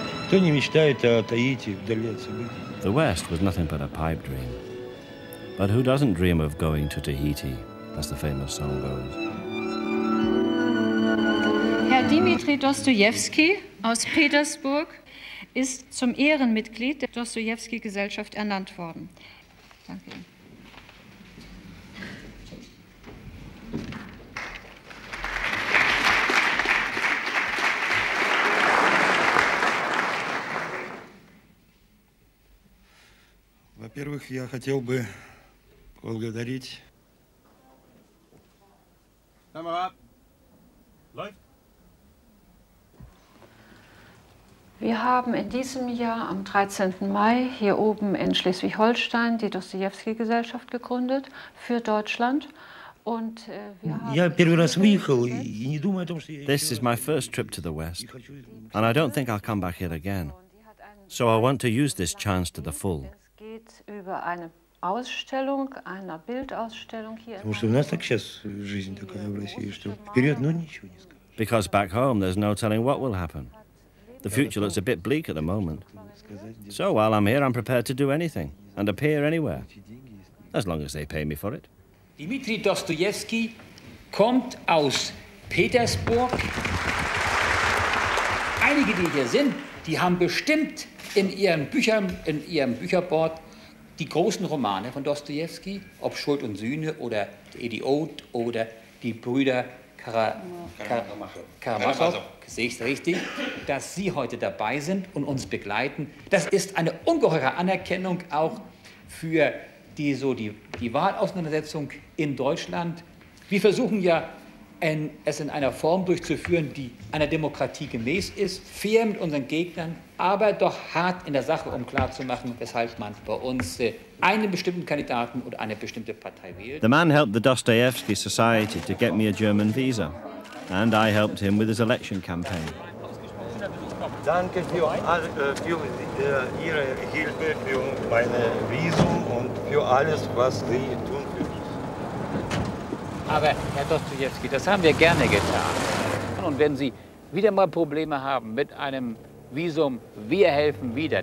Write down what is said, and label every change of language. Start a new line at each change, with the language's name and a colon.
English: The West was nothing but a pipe dream. But who doesn't dream of going to Tahiti, as the famous song goes?
German: Herr Dmitri Dostoevsky aus Petersburg ist zum Ehrenmitglied der Dostoevsky-Gesellschaft ernannt worden. Danke.
Russian: Во-первых, я хотел бы поблагодарить.
German: Камера. Läuft. Wir haben in diesem Jahr am 13. Mai hier oben in Schleswig-Holstein die Dostoevsky-Gesellschaft gegründet für Deutschland. Und wir haben.
English: This is my first trip to the West, and I don't think I'll come back here again. So I want to use this chance to the full.
German: Es geht über eine Ausstellung, einer Bildausstellung hier.
Russian: Потому что у нас так сейчас жизнь такая в России, что вперед, но ничего не скажешь.
English: Because back home, there's no telling what will happen. The future looks a bit bleak at the moment. So while I'm here, I'm prepared to do anything and appear anywhere, as long as they pay me for it.
German: Dmitri Dostoevsky kommt aus Petersburg. Einige, die hier sind, die haben bestimmt in ihren Büchern, in ihrem Bücherboard, die großen Romane von Dostoevsky, ob Schuld und Sühne oder Der Idiot oder Die Brüder Karamazow. Sehe ich es richtig, dass Sie heute dabei sind und uns begleiten. Das ist eine ungeheure Anerkennung auch für die, so die Wahlauseinandersetzung in Deutschland. Wir versuchen ja, es in einer Form durchzuführen, die einer Demokratie gemäß ist, fair mit unseren Gegnern, aber doch hart in der Sache, um klarzumachen, weshalb man bei uns einen bestimmten Kandidaten oder eine bestimmte Partei wählt.
English: The man helped the Dostoevsky Society to get me a German visa. And I helped him with his election campaign.
German: Danke für Ihre Hilfe für meine Visum und für alles, was Sie tun für mich. Aber Herr Dostoevsky, das haben wir gerne getan. Und wenn Sie wieder mal Probleme haben mit einem Visum, wir helfen wieder.